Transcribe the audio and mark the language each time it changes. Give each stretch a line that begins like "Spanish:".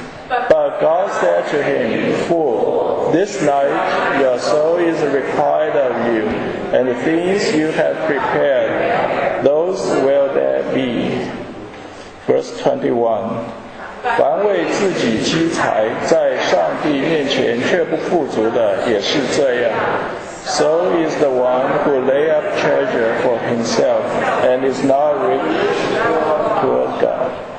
English: But God said to him, Fool, this night your soul is required of you, and the things you have prepared, those will there be. Verse 21.
Chinese: 凡为自己积财，在上帝面前却不富足的，也是这样。
English: So is the one who lay up treasure for himself and is not rich toward God.